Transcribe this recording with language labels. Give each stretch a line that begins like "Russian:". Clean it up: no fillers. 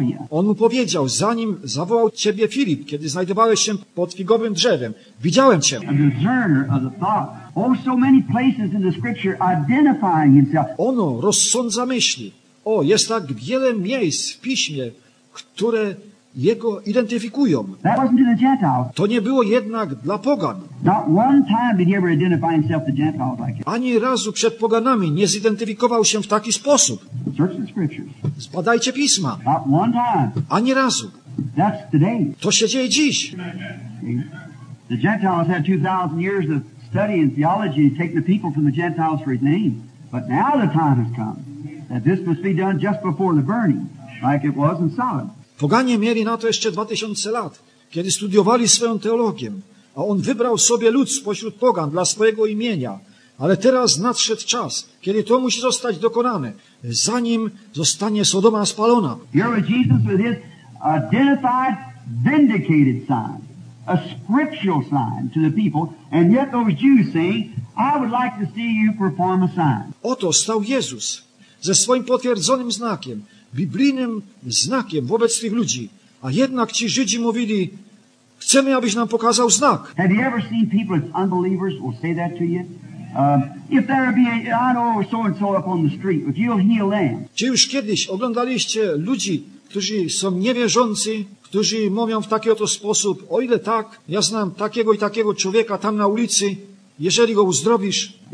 Polish: On mu powiedział, zanim zawołał ciebie Filip, kiedy znajdowałeś się pod figowym drzewem, widziałem cię.
English: A discerner of the thought. Oh, so many places in the scripture identifying himself.
Polish: Ono rozsądza myśli. O, jest tak wiele miejsc w piśmie, które jego identyfikują.
English: That wasn't to the Gentiles.
Polish: To nie było jednak dla pogan.
English: Not one time did he ever identify himself to Gentiles like that.
Polish: Ani razu przed poganami nie zidentyfikował się w taki sposób.
English: Search the scriptures.
Polish: Zbadajcie pisma.
English: Not one time.
Polish: Ani razu.
English: That's today.
Polish: To się dzieje dziś.
English: The Gentiles had 2,000 years of study and theology and taking the people from the Gentiles for his name. But now the time has come that this must be done just before the burning, like it was in Sodom.
Polish: Poganie mieli na to jeszcze 2000 lat, kiedy studiowali swoją teologię, a on wybrał sobie lud spośród pogan dla swojego imienia, Ale teraz nadszedł czas, kiedy to musi zostać dokonane, zanim zostanie Sodoma spalona.
English: Here is Jesus with his identified, vindicated sign, a scriptural sign to the people, and yet those Jews say, I would like to see you perform a sign.
Polish: Oto stał Jezus ze swoim potwierdzonym znakiem, biblijnym znakiem wobec tych ludzi, a jednak ci Żydzi mówili, chcemy, abyś nam pokazał znak.
English: Have you ever seen people as unbelievers will say that to you? If there be, I know so and so up on the street, if you'll heal them.
Polish: Czy już kiedyś oglądaliście ludzi, którzy są niewierzący, którzy mówią w taki oto sposób, o ile tak, ja znam takiego i takiego człowieka tam na ulicy, jeżeli go uzdrowisz.